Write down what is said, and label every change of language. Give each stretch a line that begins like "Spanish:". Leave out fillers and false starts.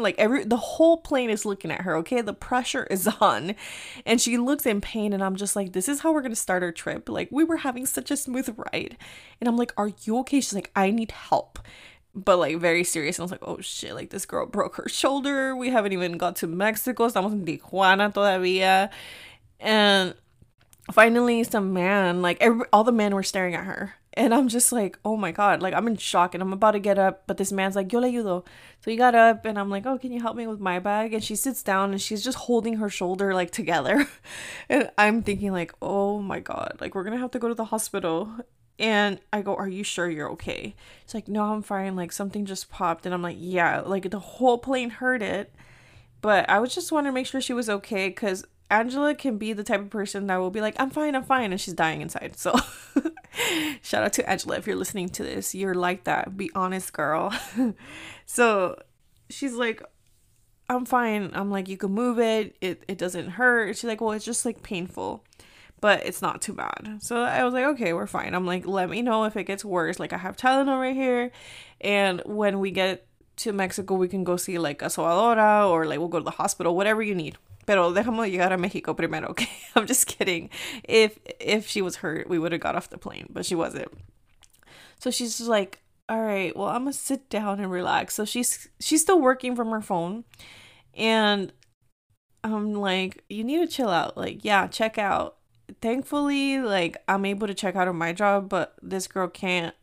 English: Like the whole plane is looking at her. Okay. The pressure is on and she looks in pain. And I'm just like, this is how we're going to start our trip. Like we were having such a smooth ride. And I'm like, are you okay? She's like, I need help. But like very serious. And I was like, oh shit, like this girl broke her shoulder. We haven't even got to Mexico.
Spanish: Estamos en Tijuana todavía.
English: And finally some man, like all the men were staring at her. And I'm just like, oh my God, like I'm in shock and I'm about to get up. But this man's like,
Spanish: yo le ayudo.
English: So he got up and I'm like, oh, can you help me with my bag? And she sits down and she's just holding her shoulder like together. And I'm thinking like, oh my God, like we're going to have to go to the hospital. And I go, are you sure you're okay? She's like, no, I'm fine. Like something just popped. And I'm like, yeah, like the whole plane heard it. But I was just wanting to make sure she was okay. Because Angela can be the type of person that will be like, I'm fine, I'm fine. And she's dying inside. So shout out to Angela. If you're listening to this, you're like that. Be honest, girl. So she's like, I'm fine. I'm like, you can move it. It doesn't hurt. She's like, well, it's just like painful. But it's not too bad. So I was like, okay, we're fine. I'm like, let me know if it gets worse. Like, I have Tylenol right here. And when we get to Mexico, we can go see, like, a soadora. Or, like, we'll go to the hospital. Whatever you need.
Spanish: Pero déjame llegar a México primero,
English: okay? I'm just kidding. If she was hurt, we would have got off the plane. But she wasn't. So she's just like, all right, well, I'm going to sit down and relax. So she's still working from her phone. And I'm like, you need to chill out. Like, yeah, check out. Thankfully, like, I'm able to check out of my job, but this girl can't.